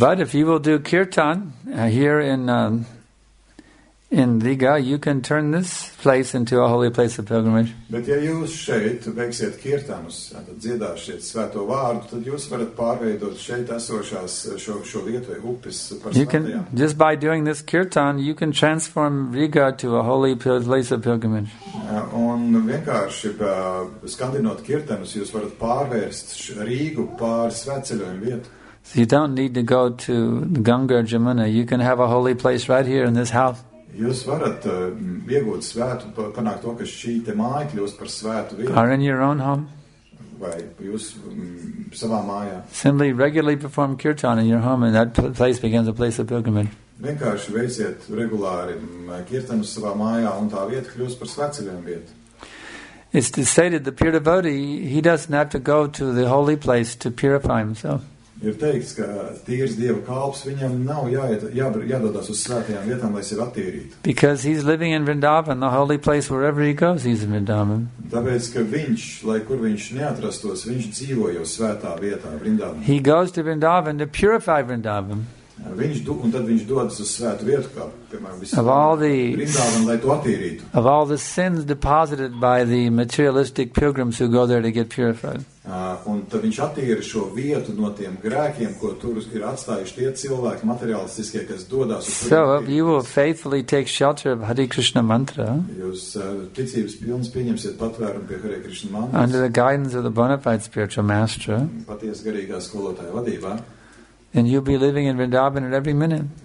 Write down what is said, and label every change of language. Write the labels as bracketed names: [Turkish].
[English] But if you will do kirtan here in Riga, you can turn this place into a holy place of pilgrimage. [Latvian] Bet ja jūs šeit veiksiet kirtanus, tad dziedāšiet svēto vārdu, tad jūs varat pārveidot šeit esošās šo vietu vai upes par [English] you can, just by doing this kirtan, you can transform Riga to a holy place of pilgrimage. [Latvian] Un vienkārši skandinot kirtanus, jūs varat pārvērst Rīgu par svētceļojumu vietu. [English] So you don't need to go to Ganga or Jamuna. You can have a holy place right here in this house. [Latvian] Jūs varat iegūt svētu, panākt to, ka šī te māja kļūst par svētu vietu. [English] Are in your own home? [Latvian] Vai jūs savā mājā? [English] Simply regularly perform kirtan in your home and that place becomes a place of pilgrimage. [Latvian] Vienkārši veiciet regulāri kirtanus savā mājā un tā vieta kļūst par svētceļiem vietu. [English] It's to say that the pure devotee, he doesn't have to go to the holy place to purify himself. [Latvian] Ir teikts, ka tīrs Dieva kalps viņam nav jādodas uz svētajām vietām, lai sevi attīrītu. [English] Because he's living in Vrindavan, the holy place wherever he goes, he's in Vrindavan. [Latvian] Tāpēc, ka viņš, lai kur viņš neatrastos, viņš dzīvo jau svētā vietā, Vrindavan. [English] He goes to Vrindavan to purify Vrindavan. [Latvian] Un tad viņš dodas uz svētu vietu, kā, piemēram, visu Vrindavan, lai to attīrītu. [English] Of all the sins deposited by the materialistic pilgrims who go there to get purified. [Latvian] Un tad viņš attīra šo vietu no tiem grēkiem, ko tur ir atstājuši tie cilvēki materialistiskie, kas dodas uz svētu vietu. [English] So, you will faithfully take shelter of Hare Krishna mantra. [Latvian] Jūs ticības pilns pieņemsiet patvērumu pie Hare Krishna mantras. [English] Under the guidance of the bona fide spiritual master. [Latvian] Paties garīgā skolotāja vadībā. [English] And you'll be living in Vrindavan at every minute.